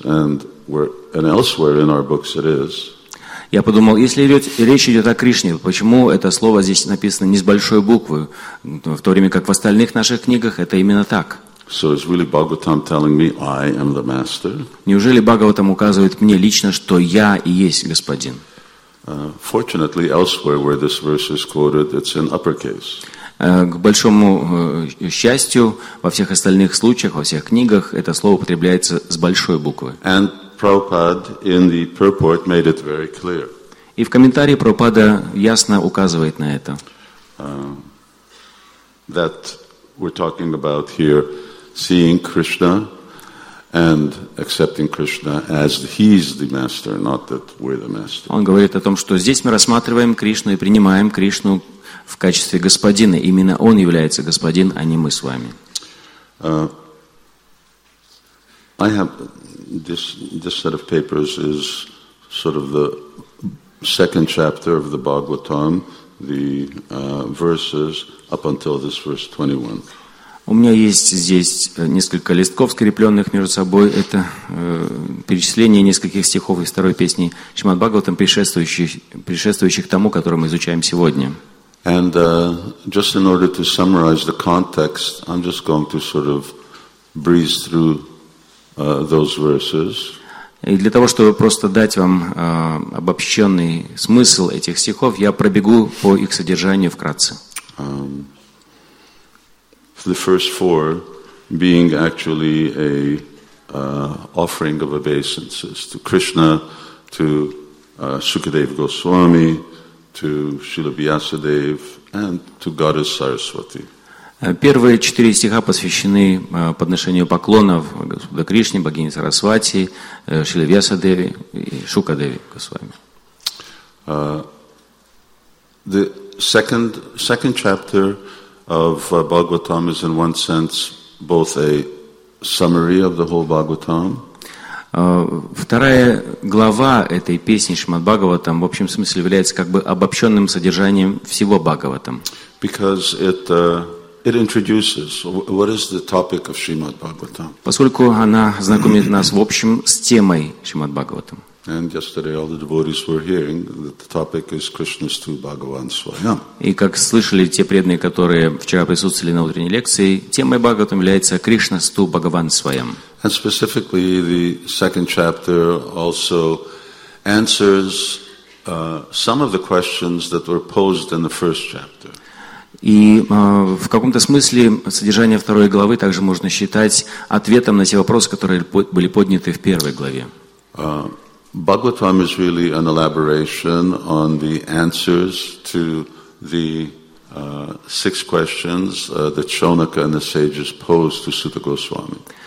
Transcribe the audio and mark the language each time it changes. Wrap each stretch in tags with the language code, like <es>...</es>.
<en>And elsewhere in our books it is.</en> <ru>Я подумал, если речь идет о Кришне, почему это слово здесь написано не с большой буквы, в то время как в остальных наших книгах это именно так?</ru> <en>So is really Bhagavatam telling me I am the master?</en> <ru>Неужели Бхагаватам указывает мне лично, что я и есть господин?</ru> <en>Fortunately, elsewhere where this verse is quoted, it's in uppercase.</en> <ru>К большому счастью, во всех остальных случаях, во всех книгах, это слово употребляется с большой буквы.</ru> <en>And Prabhupada in the purport made it very clear.</en> <ru>И в комментарии Прабхупада ясно указывает на это.</ru> <en>That we're talking about here, seeing Krishna and accepting Krishna as he is the master, not that we're the master.</en> <ru>Он говорит о том, что здесь мы рассматриваем Кришну и принимаем Кришну в качестве господина. Именно он является господин, а не мы с вами.</ru> <en>I have this set of papers is sort of the second chapter of the Bhagavatam, the verses up until this verse 21.</en> <ru>У меня есть здесь несколько листков, скрепленных между собой. Это перечисление нескольких стихов из второй песни Шримад Бхагаватам, предшествующих тому, который мы изучаем сегодня.</ru> <en>And just in order to summarize the context, I'm just going to sort of breeze through those verses.</en> <ru>И для того, чтобы просто дать вам обобщенный смысл этих стихов, я пробегу по их содержанию вкратце.</ru> <en>The first four being actually a offering of obeisances to Krishna, to Sukadeva Goswami, to Srila Vyasadev, and to Goddess Saraswati.</en> <ru>Первые четыре стиха посвящены подношению поклонов Господу Кришне, богине Сарасвати, Шриле Вьясадеве и Шукадеве Госвами.</ru> <en>The second chapter of Bhagavatam is in one sense both a summary of the whole Bhagavatam.</en> <ru>Вторая глава этой песни Шримад Бхагаватам в общем смысле является как бы обобщенным содержанием всего Бхагаватам.</ru> <en>Because it introduces what is the topic of Shrimad Bhagavatam.</en> <ru>Поскольку она знакомит нас в общем с темой Шримад Бхагаватам.</ru> <en>And yesterday all the devotees were hearing that the topic is Krishna's two Bhagavan Swayam.</en> <ru>И как слышали те преданные, которые вчера присутствовали на утренней лекции, темой Бхагаватам является Кришна's two Bhagavan Swayam.</ru> <en>And specifically, the second chapter also answers some of the questions that were posed in the first chapter.</en> <ru>И в каком-то смысле содержание второй главы также можно считать ответом на те вопросы, которые были подняты в первой главе.</ru> <en>Bhagavatam is really an elaboration on the answers to the six questions that Shonaka and the sages posed to Suta Goswami.</en>